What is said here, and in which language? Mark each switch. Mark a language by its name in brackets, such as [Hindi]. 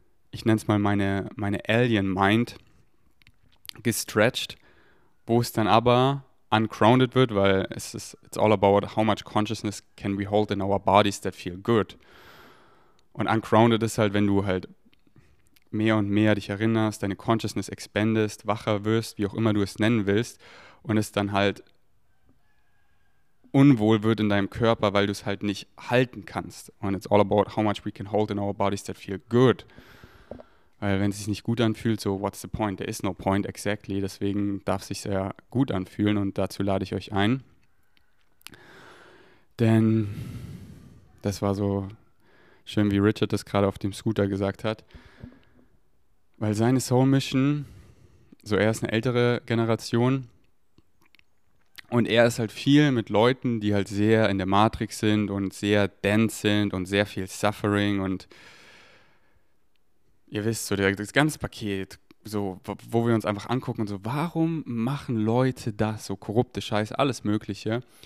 [German] Ich nenne es mal meine Alien Mind gestretched, wo es dann aber ungrounded wird, weil es ist, [English] it's all about how much consciousness can we hold in our bodies that feel good. [German] Und ungrounded ist halt, wenn du halt mehr und mehr dich erinnerst, deine Consciousness expandest, wacher wirst, wie auch immer du es nennen willst, und es dann halt unwohl wird in deinem Körper, weil du es halt nicht halten kannst. [English] Und it's all about how much we can hold in our bodies that feel good. [German] Weil wenn es sich nicht gut anfühlt, [English] so what's the point? There is no point exactly. [German] Deswegen darf es sich sehr gut anfühlen und dazu lade ich euch ein. Denn das war so schön, wie Richard das gerade auf dem Scooter gesagt hat. Weil seine Soul Mission, so er ist eine ältere Generation und er ist halt viel mit Leuten, die halt sehr in der Matrix sind und sehr dense sind und sehr viel Suffering und ihr wisst, so das ganze Paket, so, wo wir uns einfach angucken und so, warum machen Leute das, so korrupte Scheiß, alles Mögliche?